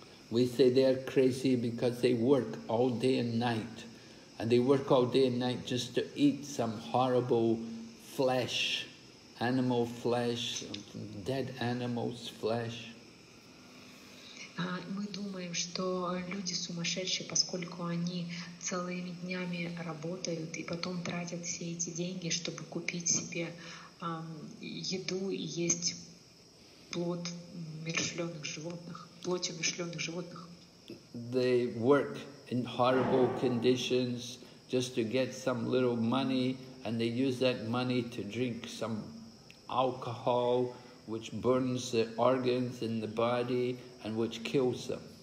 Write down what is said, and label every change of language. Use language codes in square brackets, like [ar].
[en] We say they are crazy because they work all day and night, and they work all day and night just to eat some horrible flesh, animal flesh, dead animals' flesh. [ru] Мы думаем, что люди сумасшедшие, поскольку они целыми днями работают и потом тратят все эти деньги, чтобы купить себе еду и есть плод умершлённых животных, плоть умершлённых животных. [en] They work in horrible conditions just to get some little money, and they use that money to drink some alcohol, which burns the organs in the body and which kills them.